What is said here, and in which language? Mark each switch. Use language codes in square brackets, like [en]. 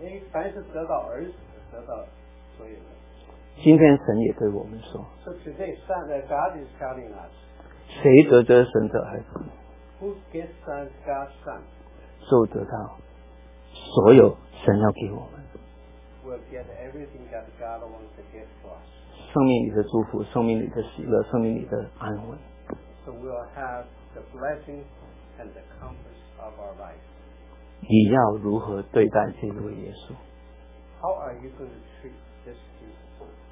[zh] 凡是得到儿子的，得到所有的。今天神也对我们说， [en] so today, son, that God is telling us, [zh] 谁得得神的儿子？ [en] Who gets God's son? [zh] 就得到所有神要给我们。 [en] We'll get everything that God wants to give for us. [zh] 生命里的祝福，生命里的喜乐，生命里的安稳。 [en] So we'll have the blessing and the comfort of our life. [zh] 你要如何对待这位耶稣？ [en] How are you going to treat this Jesus?